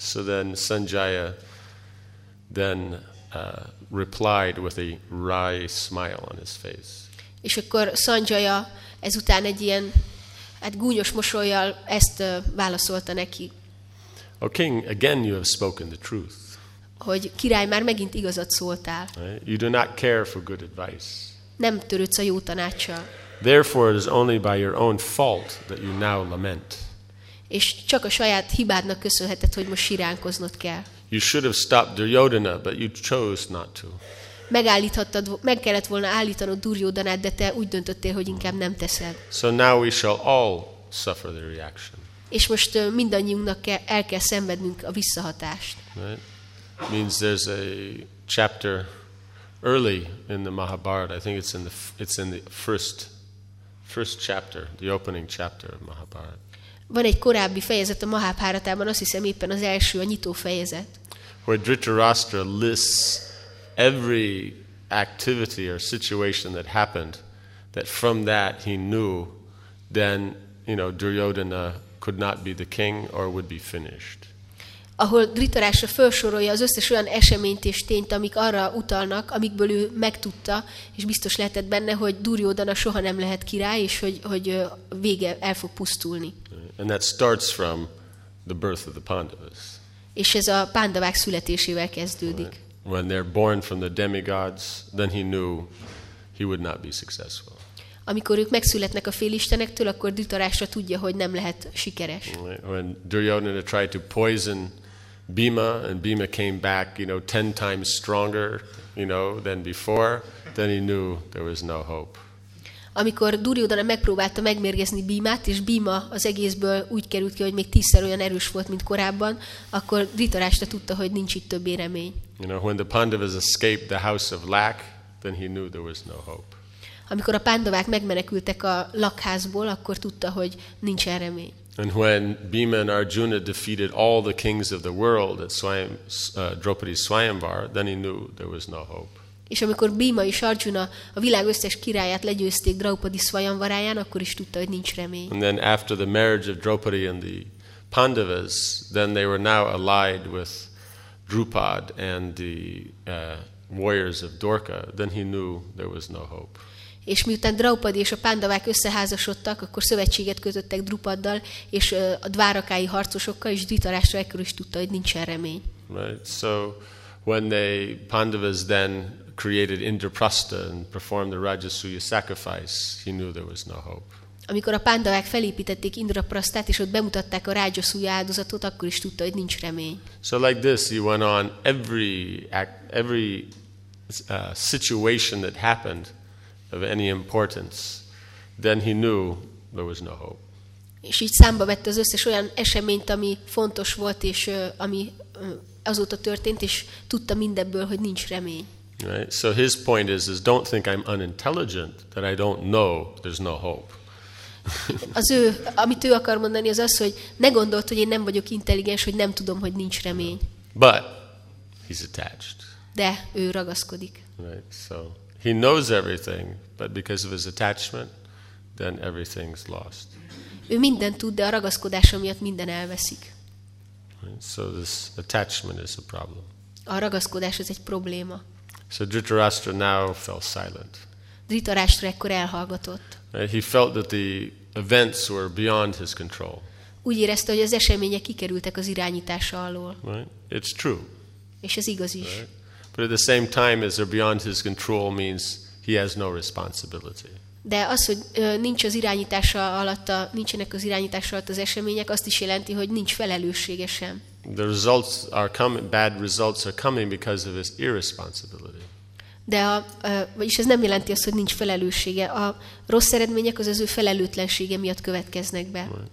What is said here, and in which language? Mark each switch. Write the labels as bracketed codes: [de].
[en] So then Sanjaya then replied with a wry smile on his face. [hu] És akkor Sanjaya ezután egy ilyen gúnyos mosollyal ezt válaszolta neki. [en] O king, again you have spoken the truth. [hu] Hogy király, már megint igazat szóltál. [en] You do not care for good advice. [hu] Nem törődsz a jó tanáccsal. [en] Therefore it is only by your own fault that you now lament. [hu] És csak a saját hibádnak köszönheted, hogy most siránkoznod kell. [en] You should have stopped Duryodhana, but you chose not to. [hu] Megállíthattad, meg kellett volna állítanod Duryodhanát, de te úgy döntöttél, hogy inkább nem teszed. [en] So now we shall all suffer the reaction. [hu] És most mindannyiunknak el kell szenvednünk a visszahatást. [en] Right? Means there's a chapter early in the Mahabharata. I think it's in the first chapter, the opening chapter of Mahabharata. [hu] Van egy korábbi fejezet a Mahabharatában, azt hiszem éppen az első, a nyitó fejezet. [en] Where Dhritarashtra lists every activity or situation that happened, that from that he knew, then you know Duryodhana could not be the king or would be finished. [hu] Ahol Dhritarashtra felsorolja az összes olyan eseményt és tényt, amik arra utalnak, amikből ő megtudta, és biztos lehetett benne, hogy Duryodhana soha nem lehet király, és hogy vége el fog pusztulni. [en] And that starts from the birth of the Pandavas. [hu] És ez a Pandavák születésével kezdődik. [en] When they're born from the demigods, then he knew he would not be successful. [hu] Amikor ők megszületnek a félistenektől, akkor Dhritarashtra tudja, hogy nem lehet sikeres. [en] When Duryodhana tried to poison Bhima and Bhima came back, you know, 10 times stronger, you know, than before, then he knew there was no hope. [hu] Amikor Duryodhana megpróbálta megmérgezni Bhimát, és Bhima az egészből úgy került ki, hogy még 10-szer olyan erős volt, mint korábban, akkor Dhritarashtra tudta, hogy nincs itt többé remény. [en] You know, when the Pandavas escaped the house of Lak, then he knew there was no hope. [hu] Amikor a Pándavák megmenekültek a lakházból, akkor tudta, hogy nincs remény. [en] And when Bhima and Arjuna defeated all the kings of the world at Draupadi Swayamvar, then he knew there was no hope. [hu] És amikor Bhima és Arjuna a világ összes királyát legyőzték Draupadi Swayamvaráján, akkor is tudta, hogy nincs remény. [en] And then after the marriage of Draupadi and the Pandavas, then they were now allied with Drupad and the warriors of Dorka, then he knew there was no hope. [hu] És miután Draupadi és a Pandavák összeházasodtak, akkor szövetséget kötöttek Drupaddal és a dvárakái harcosokkal, és Dhritarashtra ekkor is tudta, hogy nincsen remény. [en] Right. So when the Pandavas then created Indraprastha and performed the Rajasuya sacrifice, he knew there was no hope. [hu] Amikor a Pandavák felépítették Indraprasthát és ott bemutatták a Rajasuya áldozatot, akkor is tudta, hogy nincs remény. [en] So like this, he went on every situation that happened of any importance, then he knew there was no hope. [hu] És így számba vette az összes olyan eseményt, ami fontos volt, és ami azóta történt, és tudta mindebből, hogy nincs remény. [en] Right? So his point is don't think I'm unintelligent, that I don't know there's no hope. [hu] Az ő, amit ő akar mondani, az az, hogy ne gondold, hogy én nem vagyok intelligens, hogy nem tudom, hogy nincs remény. [en] But he's attached. [hu] De ő ragaszkodik. [en] Right. So he knows everything, but because of his attachment, then everything's lost. [hu] Ő mindent tud, de a ragaszkodása miatt minden elveszik. [en] So this attachment is a problem. [hu] A ragaszkodás az egy probléma. [en] So Dhritarashtra now fell silent. [hu] Dhritarashtra ekkor elhallgatott. [en] He felt that the events were beyond his control. [hu] Úgy érezte, hogy az események kikerültek az irányítása alól. [en] Right? It's true. [hu] És ez igaz is. [en] Right? But at the same time, as they're beyond his control means he has no responsibility. [hu] De az, hogy nincs az irányítása alatt, nincsenek az irányítása alatt az események, azt is jelenti, hogy nincs felelőssége sem. [en] The results are coming, bad results are coming because of his irresponsibility. [hu] De vagyis ez nem jelenti azt, hogy nincs felelőssége. A rossz eredmények az ő felelőtlensége miatt következnek be.